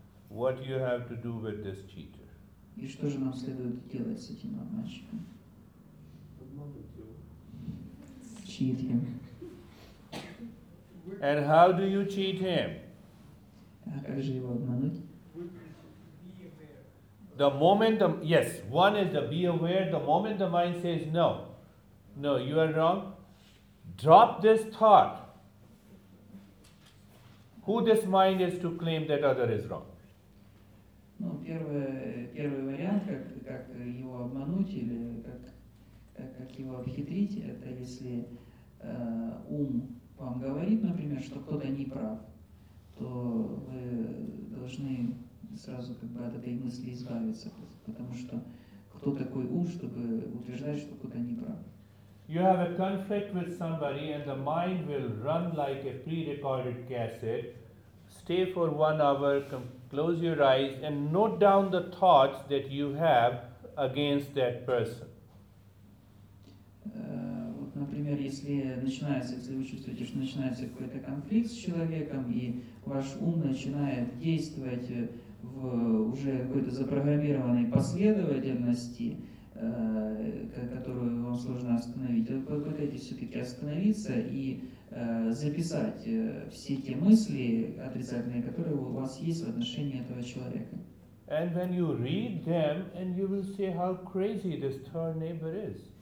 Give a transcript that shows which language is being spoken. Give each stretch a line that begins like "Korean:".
English: What you have to do with this cheater?
Russian: И что же нам следует делать с этим обманщиком? Обмануть его.
English: Cheat him. And how do you cheat him?
Russian: А как же его обмануть?
English: The moment the... Yes, one is the be aware. The moment the mind says no. No, you are wrong. Drop this thought. Who this mind is to claim that other is wrong?
Russian: Ну, первый вариант, как его обмануть или как его обхитрить, это если ум вам говорит, например, что кто-то не прав, то вы должны сразу как бы от этой мысли избавиться, потому что кто такой ум, чтобы утверждать, что кто-то не прав?
English: You have a conflict with somebody, and the mind will run like a pre-recorded cassette. Stay for 1 hour, close your eyes and note down the thoughts that you have against that person.
Russian: Вот, например, если начинается, если вы чувствуете, что начинается какой-то конфликт с человеком, и ваш ум начинает действовать в уже какой-то запрограммированной последовательности, которую вам сложно остановить, вы попытаетесь все-таки остановиться и записать все те мысли отрицательные, которые у вас есть в отношении этого человека.
English: And when you read them, and you will see how crazy this third neighbor is.